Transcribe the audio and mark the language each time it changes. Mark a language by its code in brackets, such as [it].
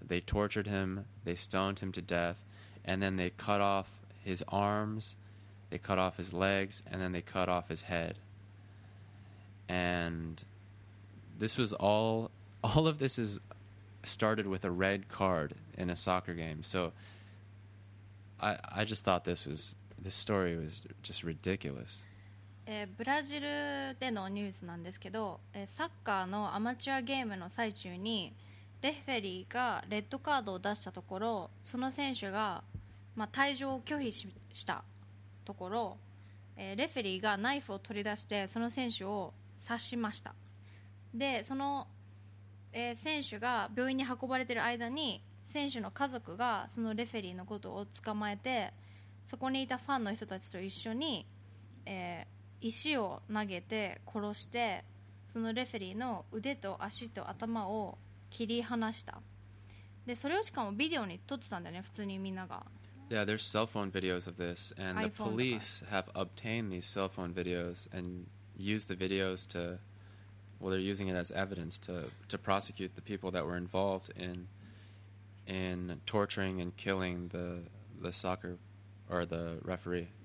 [en] They tortured him, they stoned him to death, and then they cut off his arms, they cut off his legs, and then they cut off his head. And this was all of this is started with a red card in a soccer game. So I just thought this story was just ridiculous. [ja] ブラジルでのニュースなんですけど、サッカーのアマチュアゲームの最中にレフェリーがレッドカードを出したところ、その選手が、まあ、退場を拒否 したところ、レフェリーがナイフを取り出してその選手を刺しました。でその、選手が病院に運ばれている間に、選手の家族がそのレフェリーのことを捕まえて、そこにいたファンの人たちと一緒に、石を投げて殺して、そのレフェリーの腕と足と頭を切り離した。でそれをしかもビデオに撮ってたんだよね、普通にみんなが。 [en] Yeah, there's cell phone videos of this, and the police have obtained these cell phone videos and used the videos to, well, they're using it as evidence to prosecute the people that were involved in torturing and killing the soccer or the referee.